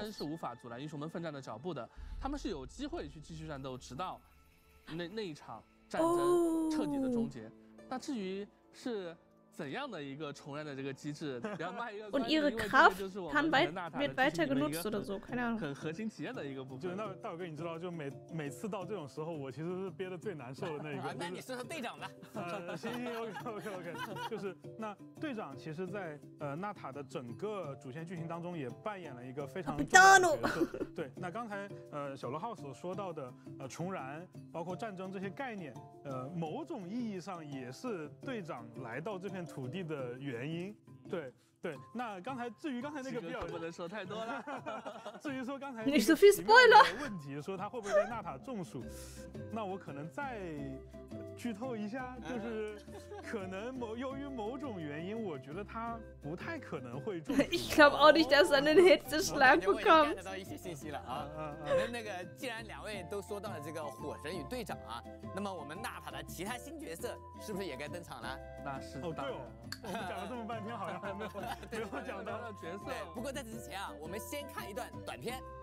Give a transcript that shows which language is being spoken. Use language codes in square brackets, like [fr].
[zh] 牺牲是无法阻拦英雄们奋战的脚步的。他们是有机会去继续战斗，直到那一场战争彻底的终结。那至于是怎样的一个重燃的这个机制，比较卖一个。 [de] Und ihre Kraft kann weiter genutzt oder so, keine Ahnung. [zh] 很核心体验的一个部分。就是道哥，你知道，就每次到这种时候，我其实是憋得最难受的那一个。那你是队长吧？行，OK。就是那队长，其实在纳塔的整个主线剧情当中，也扮演了一个非常重要的角色。对，那刚才小罗浩所说到的重燃，包括战争这些概念，某种意义上也是队长来到这。土地的原因，对对。那刚才至于刚才那个比较不能说太多了。至于说刚才你是 [en] fish boy [zh] 了问题，说他会不会在纳塔中暑，那我可能再剧透一下，就是可能由于某种原因，我觉得他不太可能会中暑。 [de] Ich glaube auch nicht, dass er einen Hitzeschlag bekommt. [zh] 我已经得到一些信息了啊。那个既然两位都说到了这个火神与队长啊，那么我们纳塔的其他新角色是不是也该登场了？那是哦，对哦，我们讲了这么半天，好像还没有讲到角色。对，不过在此之前啊，我们先看一段短片。